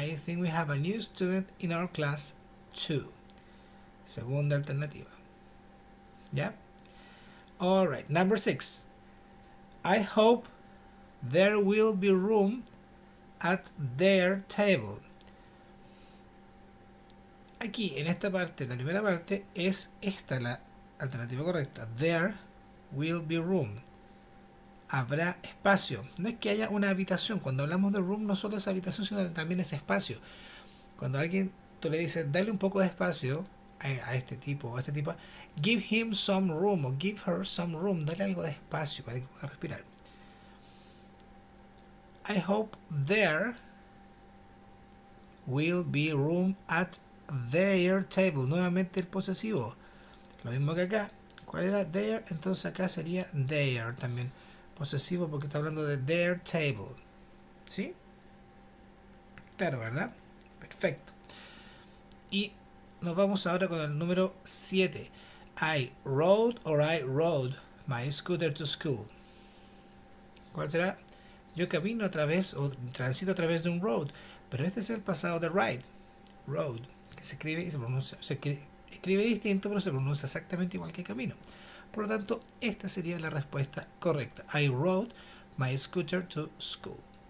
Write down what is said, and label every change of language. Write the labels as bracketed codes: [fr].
[en] I think we have a new student in our class. Two. [es] Segunda alternativa. ¿Ya? [en] All right. Number 6. I hope there will be room at their table. [es] Aquí, en esta parte, la primera parte, es esta la alternativa correcta. [en] There will be room. [es] Habrá espacio. No es que haya una habitación. Cuando hablamos de room, no solo es habitación, sino también es espacio. Cuando alguien, tú le dices, dale un poco de espacio a este tipo o a este tipo, [en] give him some room [es] o [en] give her some room, [es] dale algo de espacio para que pueda respirar. [en] I hope there will be room at their table. [es] Nuevamente el posesivo, lo mismo que acá. ¿Cuál era? There. Entonces acá sería their también, posesivo, porque está hablando de their table. ¿Sí? Claro, ¿verdad? Perfecto. Y nos vamos ahora con el número 7. [en] I rode my scooter to school. [es] ¿Cuál será? Yo camino a través o transito a través de un road. Pero este es el pasado de ride. Road. Que se escribe y se pronuncia. Se escribe distinto, pero se pronuncia exactamente igual que camino. Por lo tanto, esta sería la respuesta correcta. [en] I rode my scooter to school.